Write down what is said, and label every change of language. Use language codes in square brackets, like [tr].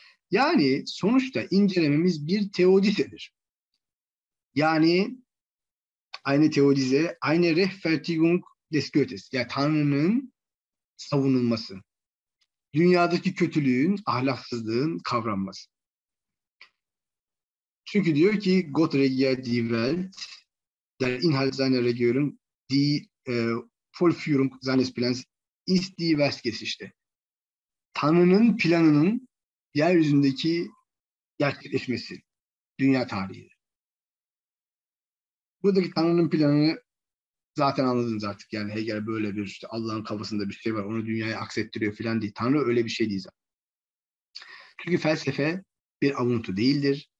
[tr] Yani sonuçta incelememiz bir teodizedir. Yani aynı teodize, aynı [de] Rechtfertigung des Göttes, [tr] yani Tanrı'nın savunulması. Dünyadaki kötülüğün, ahlaksızlığın kavranması. Çünkü diyor ki [de] Gott regiert die Welt, der Inhalt seiner Regierung, die Vollführung seines Plans ist die Westgeschichte [tr] işte. Tanrı'nın planının yeryüzündeki gerçekleşmesi, dünya tarihi. Buradaki Tanrı'nın planını zaten anladınız artık. Yani Hegel böyle bir işte Allah'ın kafasında bir şey var, onu dünyaya aksettiriyor falan değil. Tanrı öyle bir şey değil zaten. Çünkü felsefe bir avuntu değildir.